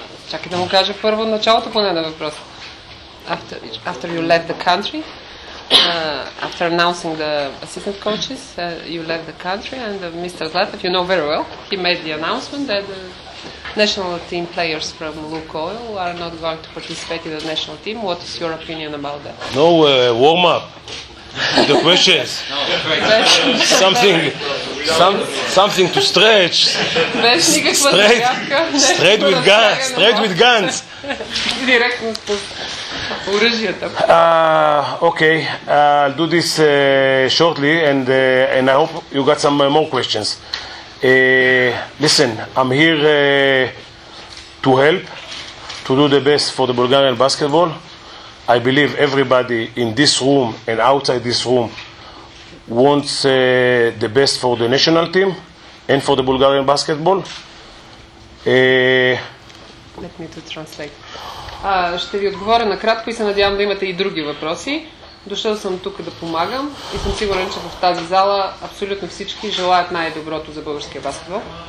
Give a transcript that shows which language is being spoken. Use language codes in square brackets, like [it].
[bg] Чакай да му кажа първо началото поне на въпроса. [en] After you left the country, after announcing the assistant coaches, you left the country, and Mr. Zlatan, you know very well, he made the announcement that the national team players from Lukoil are not going to participate in the national team. What is your opinion about that? No warm up. The questions. something to stretch. straight with guns. Straight with guns. Directly with Okay, I'll do this shortly, and I hope you got some more questions. Listen, I'm here to help, to do the best for the Bulgarian basketball. I believe everybody in this room and outside this room wants the best for the national team and for the Bulgarian basketball. Let me to translate. [bg] Ще ви отговоря накратко и се надявам да имате и други въпроси. Дошъл съм тук да помагам и съм сигурен, че в тази зала абсолютно всички желаят най-доброто за българския баскетбол.